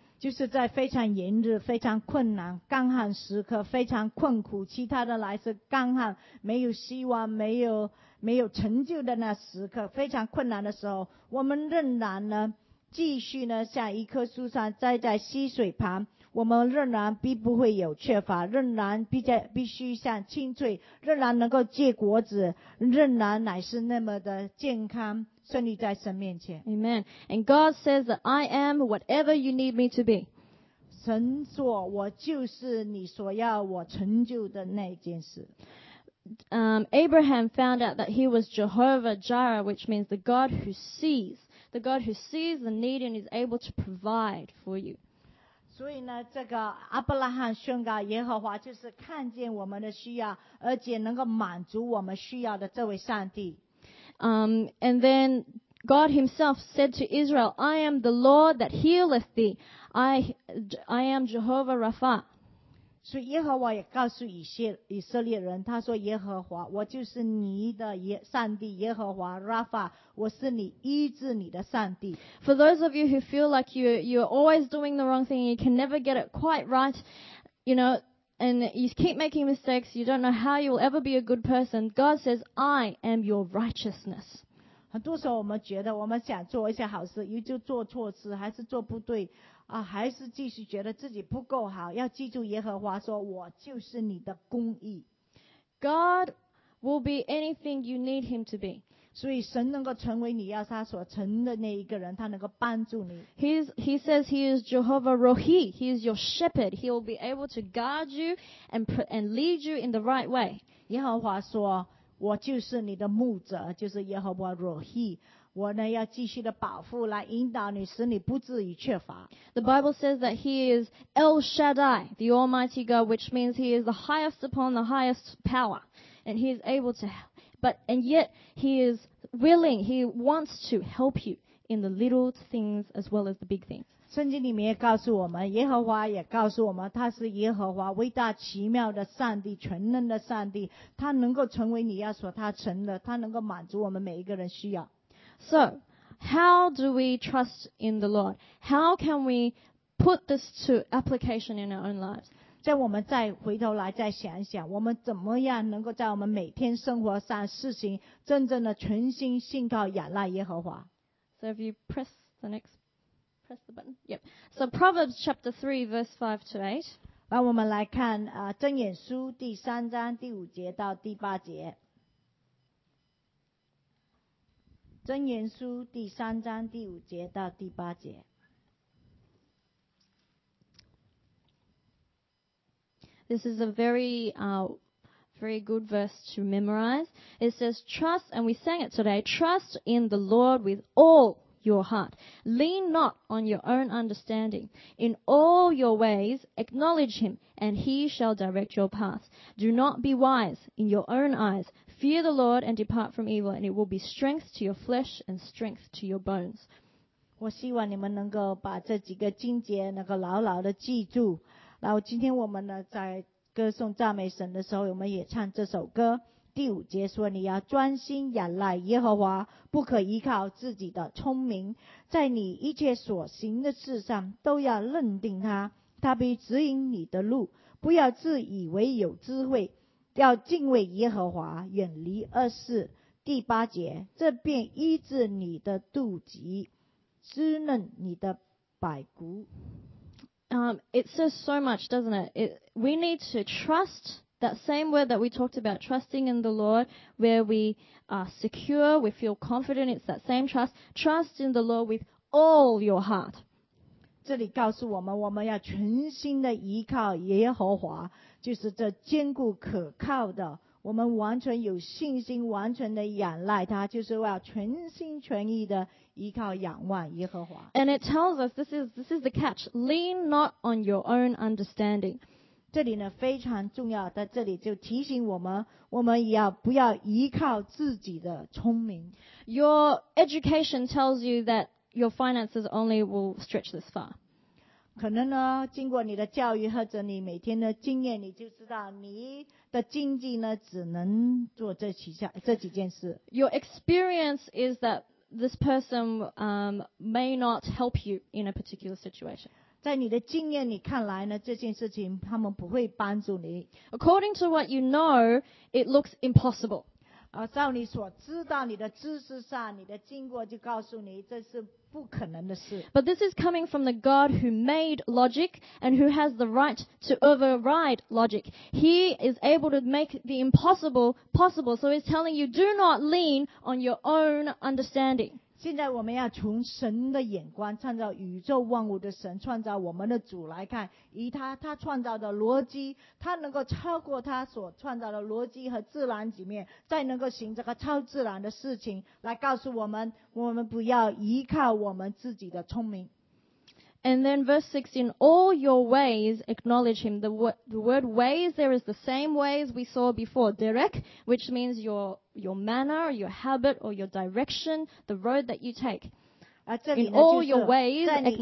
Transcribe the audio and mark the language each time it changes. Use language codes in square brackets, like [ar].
[zh] 就是在非常炎热、非常困难、干旱时刻，非常困苦，其他的来是干旱，没有希望，没有成就的那时刻，非常困难的时候，我们仍然呢，继续呢，像一棵树上栽在溪水旁，我们仍然必不会有缺乏，仍然必须像青翠，仍然能够结果子，仍然乃是那么的健康。顺利在神面前。 [en] Amen. And God says that I am whatever you need me to be. [zh] 神说我就是你所要我成就的那件事。 [en] Abraham found out that he was Jehovah Jireh, which means the God who sees. The God who sees the need and is able to provide for you. [zh] 所以呢，这个亚伯拉罕宣告耶和华就是看见我们的需要，而且能够满足我们需要的这位上帝。 [en] And then God himself said to Israel, I am the Lord that healeth thee. I am Jehovah Rapha. [zh] 所以耶和华也告诉以色列人，他说耶和华，我就是你的上帝，耶和华 Rapha, 我是你医治你的上帝。 [en] For those of you who feel like you're always doing the wrong thing, and you can never get it quite right, you know,And you keep making mistakes, you don't know how you will ever be a good person. God says, I am your righteousness. [zh] 很多时候我们觉得我们想做一些好事，又就做错事，还是做不对，啊，还是继续觉得自己不够好，要记住耶和华说，我就是你的公义。 [en] God will be anything you need him to be. [zh] 所以神能够成为你要他所成的那一个人，他能够帮助你。 [en] He says he is Jehovah Rohi. He is your shepherd. He will be able to guard you and lead you in the right way. [zh] 耶和华说，我就是你的牧者，就是耶和华 Rohi。我呢要继续的保护，来引导你，使你不至于缺乏。 [en] The Bible says that He is El Shaddai, the Almighty God, which means He is the highest upon the highest power, and He is able to help. But yet He is willing. He wants to help you in the little things as well as the big things. [zh] 圣经里面也告诉我们，耶和华也告诉我们，他是耶和华，伟大奇妙的上帝，全能的上帝。他能够成为你要所他成的，他能够满足我们每一个人需要。 [en] So, how do we trust in the Lord? How can we put this to application in our own lives? [zh] 在我们再回头来再想一想，我们怎么样能够在我们每天生活上事情真正的全心信靠仰赖耶和华。 [en] So if you press the button. Yep. So Proverbs chapter 3 verse 5 to 8. [zh] 让我们来看箴言书第三章第五节到第八节。箴言书第三章第五节到第八节。 [en] This is a very, very good verse to memorize. It says, Trust, and we sang it today, Trust in the Lord with all your heart. Lean not on your own understanding. In all your ways, acknowledge him, and he shall direct your path. Do not be wise in your own eyes. Fear the Lord and depart from evil, and it will be strength to your flesh and strength to your bones. [zh] 我希望你们能够把这几个经节能够牢牢的记住。然后今天我们呢在歌颂赞美神的时候，我们也唱这首歌。第五节说，你要专心仰赖耶和华，不可依靠自己的聪明，在你一切所行的事上都要认定他，他必指引你的路。不要自以为有智慧。要敬畏耶和华，远离恶事。第八节，这便医治你的肚脐，滋润你的百谷。 [en] It says so much, doesn't it? We need to trust that same word that we talked about, trusting in the Lord, where we are secure, we feel confident, it's that same trust. Trust in the Lord with all your heart. [zh] 这里告诉我们，我们要全心的依靠耶和华，就是这坚固可靠的，我们完全有信心，完全的仰赖他，就是要全心全意的依靠仰望耶和华。 [en] And it tells us, this is the catch, lean not on your own understanding. [zh] 这里呢非常重要，在这里就提醒我们，我们也要不要依靠自己的聪明。 [en] Your education tells you that your finances only will stretch this far. [zh] 可能呢，经过你的教育或者你每天的经验，你就知道你的经济呢只能做这几件事。 [en] Your experience is that this person may not help you in a particular situation. [zh] 在你的经验里看来呢，这件事情他们不会帮助你。 [en] According to what you know, it looks impossible. [zh] 照你所知道，你的知识上，你的经过就告诉你这是。 [en] But this is coming from the God who made logic and who has the right to override logic. He is able to make the impossible possible. So he's telling you, do not lean on your own understanding. [zh] 现在我们要从神的眼光，创造宇宙万物的神，创造我们的主来看，以他创造的逻辑，他能够超过他所创造的逻辑和自然里面，再能够行这个超自然的事情，来告诉我们，我们不要依靠我们自己的聪明。 [en] And then verse 6, in all your ways acknowledge him. The word ways there is the same ways we saw before. Derech, which means your manner, your habit, or your direction, the road that you take. [zh] 这里呢, [en] in all your ways acknowledge him.